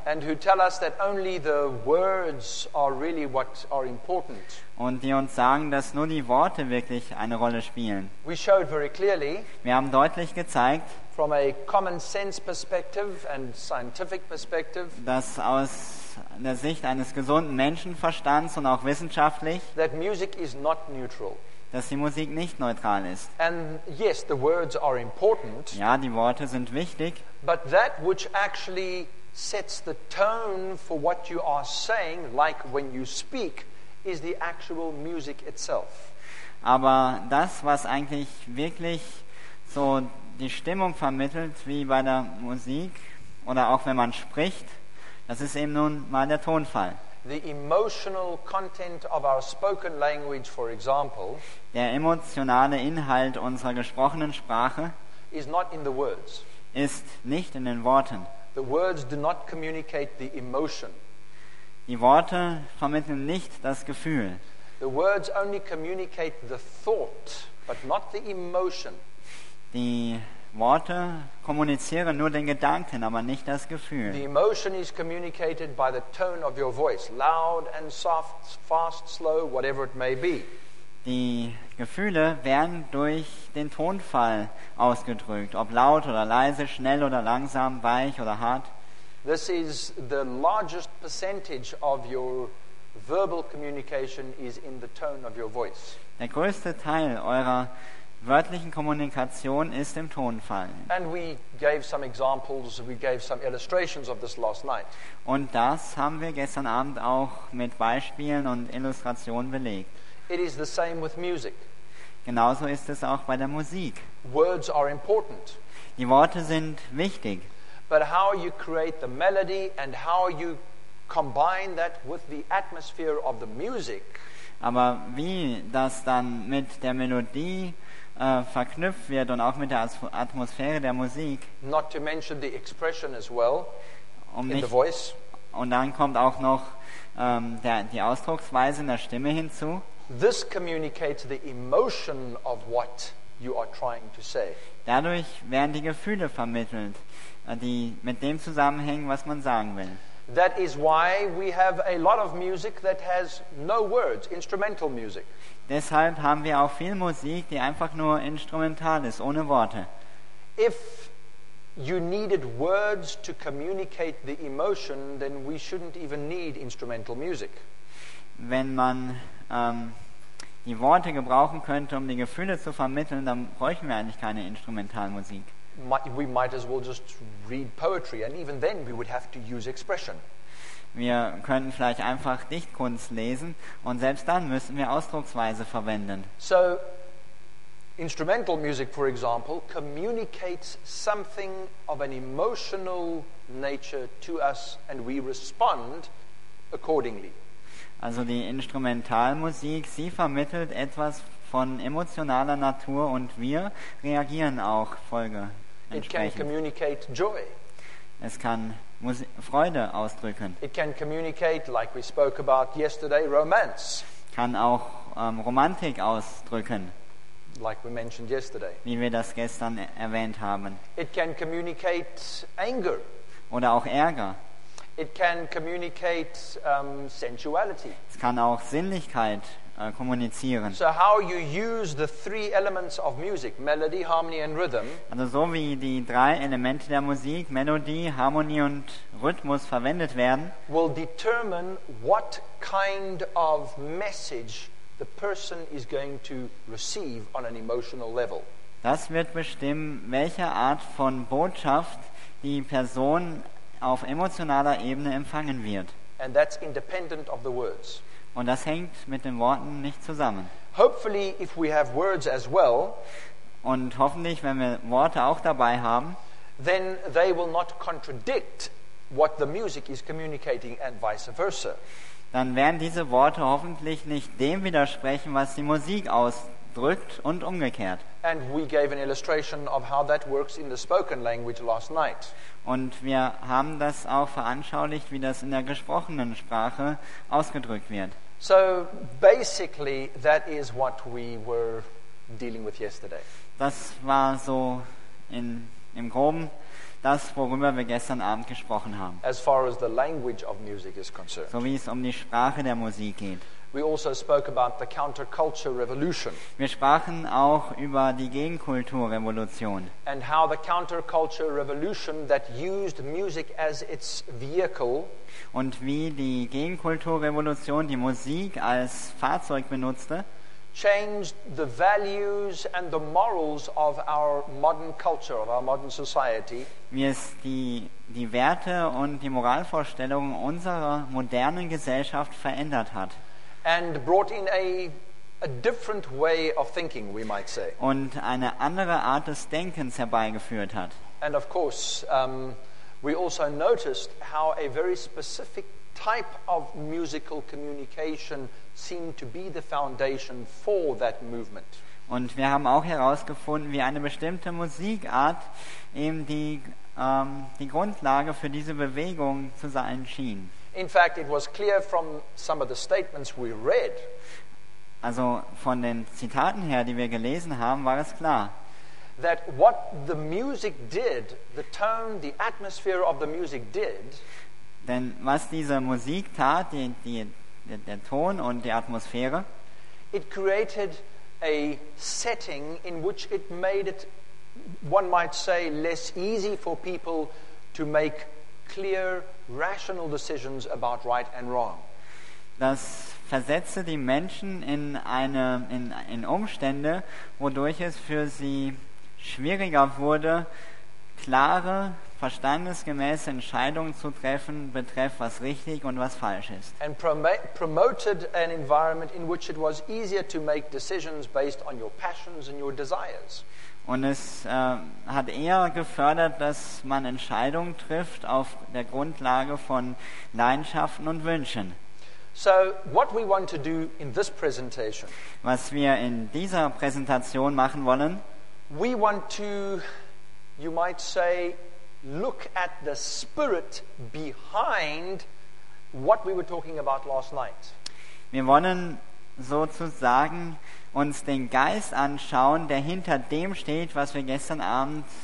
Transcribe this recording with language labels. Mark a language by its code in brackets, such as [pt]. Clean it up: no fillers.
[en] and who tell us that only the words are really what are important, [de] und die uns sagen, dass nur die Worte wirklich eine Rolle spielen. [en] We showed very clearly, [de] wir haben deutlich gezeigt, [en] from a common sense perspective and scientific perspective, [de] dass aus der Sicht eines gesunden Menschenverstands und auch wissenschaftlich, [en] that music is not neutral. [de] Dass die Musik nicht neutral ist. [en] And yes, the words are important. [de] Ja, die Worte sind wichtig. [en] But that which actually sets the tone for what you are saying, like when you speak, is the actual music itself. [de] Aber das, was eigentlich wirklich so die Stimmung vermittelt, wie bei der Musik oder auch wenn man spricht, das ist eben nun mal der Tonfall. [en] The emotional content of our spoken language, for example, [de] der emotionale Inhalt unserer gesprochenen Sprache, [en] is not in the words. [de] Ist nicht in den Worten. [en] The words do not communicate the emotion. [de] Die Worte vermitteln nicht das Gefühl. [en] The words only communicate the thought, but not the emotion. [de] Die Worte kommunizieren nur den Gedanken, aber nicht das Gefühl. [en] The emotion is communicated by the tone of your voice, loud and soft, fast, slow, whatever it may be. [de] Die Gefühle werden durch den Tonfall ausgedrückt, ob laut oder leise, schnell oder langsam, weich oder hart. [en] This is the largest percentage of your verbal communication is in the tone of your voice. [de] Der größte Teil eurer wörtlichen Kommunikation ist im Tonfall. [en] And we gave some examples, we gave some illustrations of this last night. [de] Und das haben wir gestern Abend auch mit Beispielen und Illustrationen belegt. [en] It is the same with music. [de] Genauso ist es auch bei der Musik. [en] Words are important. [de] Die Worte sind wichtig. [en] But how you create the melody and how you combine that with the atmosphere of the music. [de] Aber wie das dann mit der Melodie verknüpft wird und auch mit der Atmosphäre der Musik. [en] Not to mention the expression as well, [de] und, [en] nicht, in the voice. [de] Und dann kommt auch noch die Ausdrucksweise in der Stimme hinzu. [en] This communicates the emotion of what you are trying to say. [de] Dadurch werden die Gefühle vermittelt, die mit dem zusammenhängen, was man sagen will. [en] That is why we have a lot of music that has no words, instrumental music. [de] Deshalb haben wir auch viel Musik, die einfach nur instrumental ist, ohne Worte. [en] If you needed words to communicate the emotion, then we shouldn't even need instrumental music. [de] Wenn man die Worte gebrauchen könnte, um die Gefühle zu vermitteln, dann bräuchten wir eigentlich keine Instrumentalmusik. [en] We might as well just read poetry, and even then we would have to use expression. [de] Wir könnten vielleicht einfach Dichtkunst lesen, und selbst dann müssen wir Ausdrucksweise verwenden. [en] So, instrumental music, for example, communicates something of an emotional nature to us, and we respond accordingly. [de] Also die Instrumentalmusik, sie vermittelt etwas von emotionaler Natur und wir reagieren auch folgeentsprechend. [en] It can communicate joy. [de] Es kann Freude ausdrücken. [en] It can communicate, like we spoke about yesterday, romance. [de] Kann auch Romantik ausdrücken. [en] Like we mentioned yesterday. [de] Wie wir das gestern erwähnt haben. [en] It can communicate anger. [de] Oder auch Ärger. [en] It can communicate sensuality. [de] Es kann auch Sinnlichkeit kommunizieren. [en] So how you use the three elements of music, melody, harmony and rhythm. [de] Also so wie die drei Elemente der Musik, Melodie, Harmonie und Rhythmus verwendet werden, [en] will determine what kind of message the person is going to receive on an emotional level. [de] Das wird bestimmen, welche Art von Botschaft die Person auf emotionaler Ebene empfangen wird. [en] And that's independent of the words. [de] Und das hängt mit den Worten nicht zusammen. [en] Hopefully, if we have words as well, [de] und hoffentlich, wenn wir Worte auch dabei haben, [en] then they will not contradict what the music is communicating and vice versa. [de] Dann werden diese Worte hoffentlich nicht dem widersprechen, was die Musik ausdrückt und umgekehrt. [en] And we gave an illustration of how that works in the spoken language last night. [de] Und wir haben das auch veranschaulicht, wie das in der gesprochenen Sprache ausgedrückt wird. [en] So basically that is what we were dealing with yesterday. [de] Das war so im Groben das, worüber wir gestern Abend gesprochen haben. [en] As far as the language of music is concerned. [de] So wie es die Sprache der Musik geht. [en] We also spoke about the counterculture revolution. [de] Wir sprachen auch über die Gegenkulturrevolution. [en] And how the counterculture revolution that used music as its vehicle. [de] Und wie die Gegenkulturrevolution die Musik als Fahrzeug benutzte. [en] Changed the values and the morals of our modern culture, of our modern society. [de] Wie es die Werte und die Moralvorstellungen unserer modernen Gesellschaft verändert hat. [en] And brought in a different way of thinking, we might say. [de] Und eine andere Art des Denkens herbeigeführt hat. [en] And of course, we also noticed how a very specific type of musical communication seemed to be the foundation for that movement. [de] Und wir haben auch herausgefunden, wie eine bestimmte Musikart eben die Grundlage für diese Bewegung zu sein schien. [en] In fact, it was clear from some of the statements we read. [de] Also von den Zitaten her, die wir gelesen haben, war es klar. [en] That what the music did, the tone, the atmosphere of the music did. [de] Denn was diese Musik tat, der Ton und die Atmosphäre. [en] It created a setting in which it made it, one might say, less easy for people to make clear, rational decisions about right and wrong. [de] Das versetzte die Menschen in Umstände, wodurch es für sie schwieriger wurde, klare, verstandesgemäße Entscheidungen zu treffen, betreff was richtig und was falsch ist. [en] And promoted an environment in which it was easier to make decisions based on your passions and your desires. [de] Und es hat eher gefördert, dass man Entscheidungen trifft auf der Grundlage von Leidenschaften und Wünschen. [en] So, what we want to do in this presentation, [de] was wir in dieser Präsentation machen wollen, [en] we want to, you might say, look at the spirit behind what we were talking about last night. [de] Wir wollen sozusagen uns den Geist anschauen, der hinter dem steht, was wir gestern Abend